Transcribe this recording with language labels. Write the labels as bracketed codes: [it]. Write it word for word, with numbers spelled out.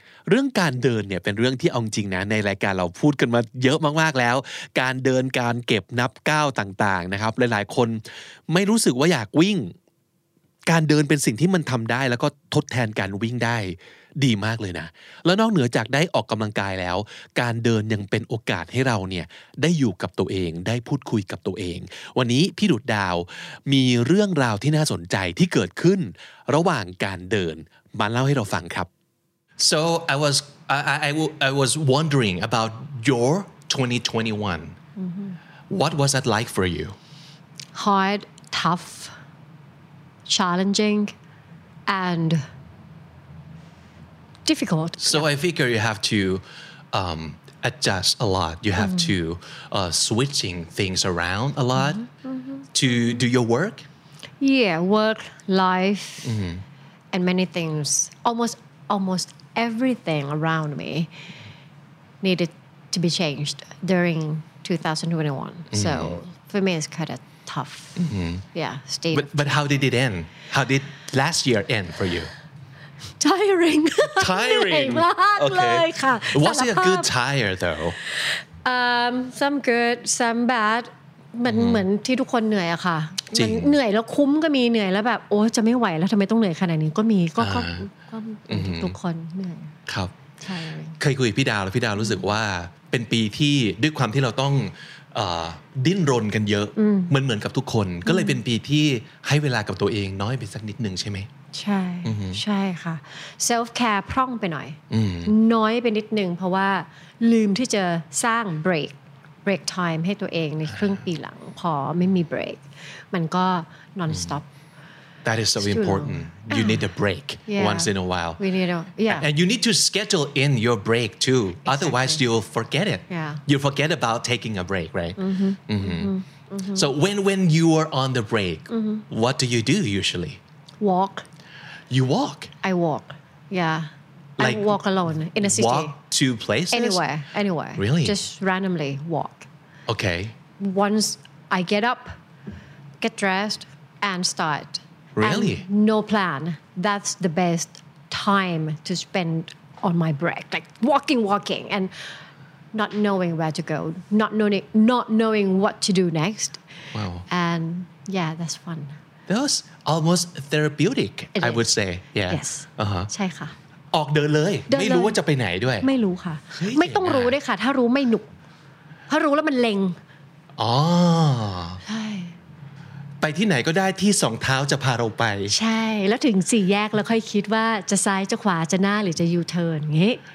[th] เรื่องการเดินเนี่ยเป็นเรื่องที่เอาจริงนะในรายการเราพูดกันมาเยอะมากๆแล้วการเดินการเก็บนับก้าวต่างๆนะครับหลายๆคนไม่รู้สึกว่าอยากวิ่งการเดินเป็นสิ่งที่มันทำได้แล้วก็ทดแทนการวิ่งได้ดีมากเลยนะแล้วนอกเหนือจากได้ออกกำลังกายแล้วการเดินยังเป็นโอกาสให้เราเนี่ยได้อยู่กับตัวเองได้พูดคุยกับตัวเองวันนี้พี่ดุจดาวมีเรื่องราวที่น่าสนใจที่เกิดขึ้นระหว่างการเดินมาเล่าให้เราฟังครับ [en] So I was I, I, I was wondering about your twenty twenty-one. Mm-hmm. What was that like for you? Hard, tough, challenging, and difficult. So I figure you have to um, adjust a lot. You have mm-hmm. to uh, switching things around a lot mm-hmm. to do your work. Yeah, work, life, mm-hmm. and many things. Almost, almost. Everything around me needed to be changed during two thousand twenty-one. Mm-hmm. So for me, it's kind of tough. Mm-hmm. Yeah, Steve. But, but how did it end? How did last year end for you? Tiring. Tiring. Okay. Was it a good tire though? Um, some good, some bad. [th] มันเหมือนที่ทุกคนเหนื่อยอะค่ะมันเหนื่อยแล้วคุ้มก็มีเหนื่อยแล้วแบบโอ้จะไม่ไหวแล้วทำไมต้องเหนื่อยขนาดนี้ก็มีก็ก็ทุกคนเหนื่อย ครับ ใช่ เคยคุยพี่ดาวแล้วพี่ดาวรู้สึกว่าเป็นปีที่ด้วยความที่เราต้องดิ้นรนกันเยอะมันเหมือนกับทุกคนก็เลยเป็นปีที่ให้เวลากับตัวเองน้อยไปสักนิดนึงใช่ไหม ใช่ใช่ค่ะ self care พร่องไปหน่อยน้อยไปนิดนึงเพราะว่าลืมที่จะสร้าง break break time ให้ตัวเองในครึ่งปีหลังพอไม่มี break มันก็ non stop [en] That is so important you need a break yeah. once in a while we need a, yeah and you need to schedule in your break too exactly. otherwise you'll forget it yeah. you'll forget about taking a break right mm-hmm. Mm-hmm. Mm-hmm. so when when you are on the break mm-hmm. what do you do usually walk you walk I walk yeah like I walk alone in a city walk to places anywhere anywhere really just randomly walk okay once I get up get dressed and start really and no plan that's the best time to spend on my break like walking walking and not knowing where to go not knowing not knowing what to do next wow and yeah that's fun that was almost therapeutic It I is. would say yeah yes uh-huh. [th] ใช่ค่ะ ออกเดินเลยไม่รู้ว่าจะไปไหนด้วย ไม่รู้ค่ะไม่ต้องรู้ด้วยค่ะถ้ารู้ไม่หนุกถ้ารู้แล้วมันเล็ง อ๋อ ใช่ ไปที่ไหนก็ได้ที่สองเท้าจะพาเราไป ใช่แล้วถึงสี่แยกแล้วค่อยคิดว่าจะซ้ายจะขวาจะหน้าหรือจะยูเทิร์นอย่างงี้